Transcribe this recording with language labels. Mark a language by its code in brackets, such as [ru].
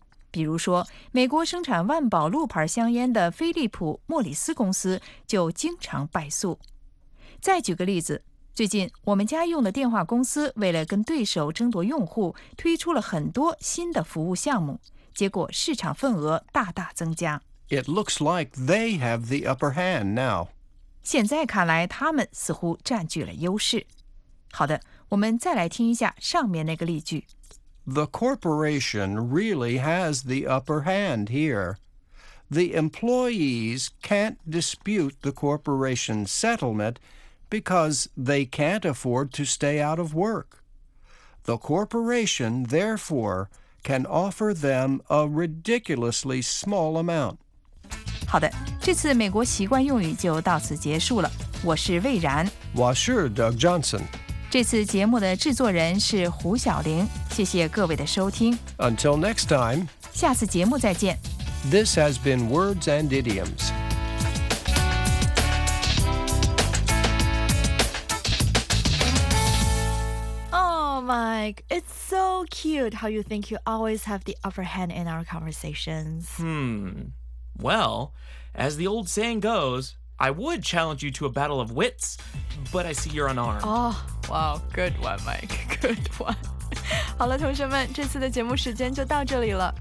[zh] 比如说，美国生产万宝路牌香烟的菲利普·莫里斯公司就经常败诉。再举个例子，最近我们家用的电话公司为了跟对手争夺用户，推出了很多新的服务项目，结果市场份额大大增加。 [en] It looks like they have the upper hand now. [zh] 现在看来他们似乎占据了优势。好的，我们再来听一下上面那个例句。 [en] The corporation really has the upper hand here. The employees can't dispute the corporation's settlement because they can't afford to stay out of work. The corporation, therefore, can offer them a ridiculously small amount. [zh] 好的，这次美国习惯用语就到此结束了。我是魏然，我是 Doug Johnson。这次节目的制作人是胡晓玲。谢谢各位的收听。 [en] Until next time， [zh] 下次节目再见。 [en] This has been Words and Idioms。 Mike, it's so cute how you think you always have the upper hand in our conversations. Well, as the old saying goes, I would challenge you to a battle of wits, but I see you're unarmed. Oh, wow, good one, Mike, good one. [zh] 好了，同学们，这次的节目时间就到这里了。